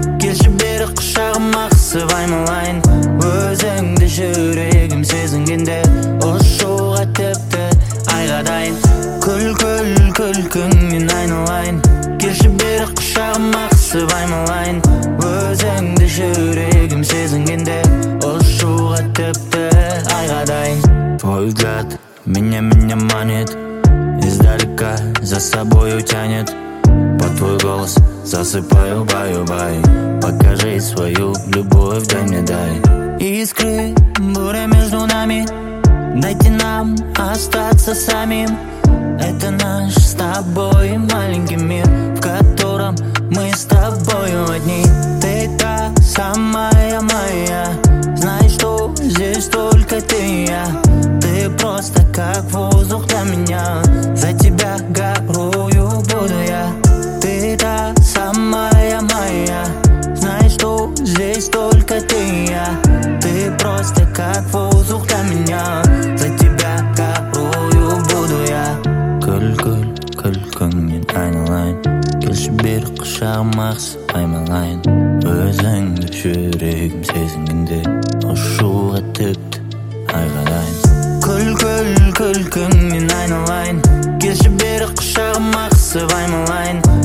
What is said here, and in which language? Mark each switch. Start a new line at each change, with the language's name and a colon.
Kazakh: Келші бері құшағыма қысып аймалайын. Өзіңді жүрегім сезінгенде ұшуға тіпті айға дайын. Күлкің мен айналайын. Келші бері құшағыма қысып аймалайын. Өзіңді жүрегім сезінгенде ұшуға тіпті айға дайын.
Russian: Твой взгляд меня манит, издалека за собою тянет. По твой голос засыпаю, баю-бай. Покажи свою любовь, дай мне дай. Искры, буря между нами. Дайте нам остаться самим. Это наш с тобой маленький мир, в котором мы с тобою одни. Ты та самая моя. Знай, что здесь только ты и я. Ты просто как воздух для меня. За тебя горую буду я. Ты та самая моя. Знай, что здесь только ты и я. Ты просто как воздух для меня. За тебя горую буду я.
Kazakh: Күл-күль, күлкіңмен айналайын. Келші бері құшағыма қысып аймалайын. Өзіңді жүрегім сезінгенде ұшуға тіпті айға дайын. Күл-күл-күлкіңмен айналайын. Келші бері құшағыма қысып аймалайын.